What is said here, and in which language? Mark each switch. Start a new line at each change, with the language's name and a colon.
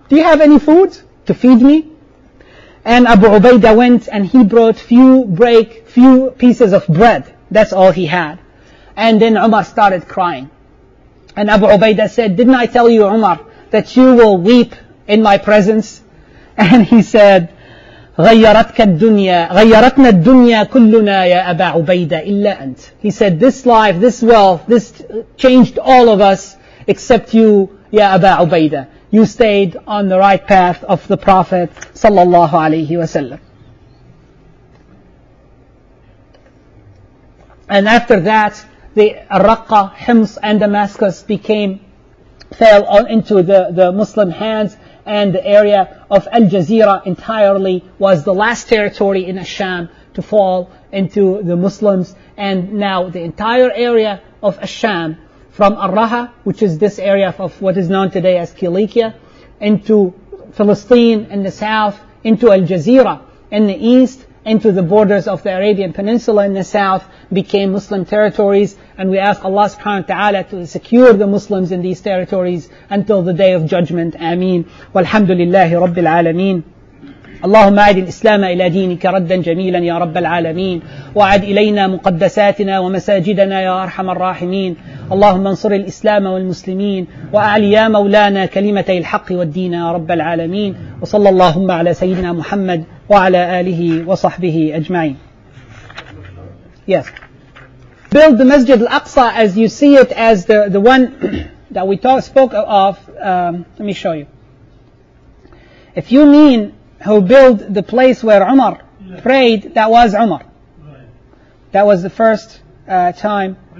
English: Do you have any food to feed me? And Abu Ubaidah went and he brought few pieces of bread. That's all he had. And then Umar started crying. And Abu Ubaidah said, didn't I tell you, Umar, that you will weep in my presence? And he said,
Arabic: غَيَّرَتْنَا الدُّنْيَا كُلُّنَا يَا أَبَا عُبَيْدَ إِلَّا أَنْتَ.
English: He said, this life, this wealth, this changed all of us except you,
Arabic: يَا أَبَا عُبَيْدَ.
English: You stayed on the right path of the Prophet sallallahu alayhi wa sallam. And after that, the Raqqa, Hims, and Damascus fell into the Muslim hands, and the area of Al-Jazeera entirely was the last territory in Asham to fall into the Muslims. And now the entire area of Asham, from Ar-Raha, which is this area of what is known today as Cilicia, into Palestine in the south, into Al-Jazeera in the east, into the borders of the Arabian Peninsula in the south, became Muslim territories. And we ask Allah subhanahu wa ta'ala to secure the Muslims in these territories until the Day of Judgment.
Arabic: Ameen. Walhamdulillahi Rabbil Alameen. اللهم أعد الإسلام إلى دينك ردا جميلا يا رب العالمين وأعد إلينا مقدساتنا ومساجدنا يا أرحم الراحمين اللهم انصر الإسلام والمسلمين وأعلي يا مولانا كلمتي الحق والدين يا رب العالمين وصلى اللهم على سيدنا محمد وعلى آله وصحبه أجمعين.
English: Yes. Build the Masjid al-Aqsa as you see it, as the one that we spoke of. Let me show you. If you mean who built the place where Umar prayed, that was Umar. Right. That was the first time.